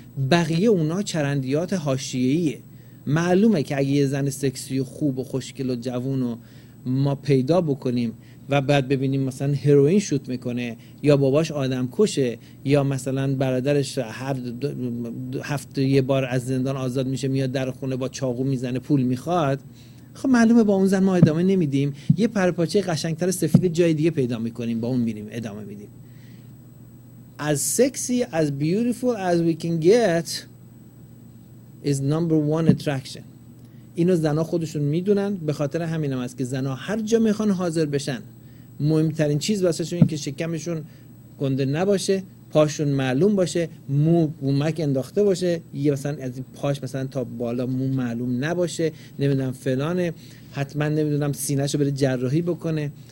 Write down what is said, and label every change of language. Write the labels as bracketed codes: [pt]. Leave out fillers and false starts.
[fa] بقیه اونا چرندیات حاشیه‌ایه. معلومه که اگه یه زن سکسی و خوب و خوشگل و جوون رو ما پیدا بکنیم و بعد ببینیم مثلا هروئین شوت میکنه یا باباش آدم کشه یا مثلا برادرش هر هفته یه بار از زندان آزاد میشه میاد در خونه با چاقو میزنه پول میخواد، خب معلومه با اون زن ما ادامه نمیدیم، یه پرپاچه قشنگتر سفید جای دیگه پیدا میکنیم، با اون میریم ادامه میدیم. [en] As sexy, as beautiful as we can get is number one attraction. [fa] اینو زنا خودشون میدونن، به خاطر همین هم است که زنا هر جا میخوان حاضر بشن. مهمترین چیز واسه شون این که شکمشون گنده نباشه، پاشون معلوم باشه، مو بومک انداخته باشه، یه مثلا از پاش مثلا تا بالا مو معلوم نباشه، نمیدونم فلانه، حتما نمیدونم سینه‌شو بره جراحی بکنه.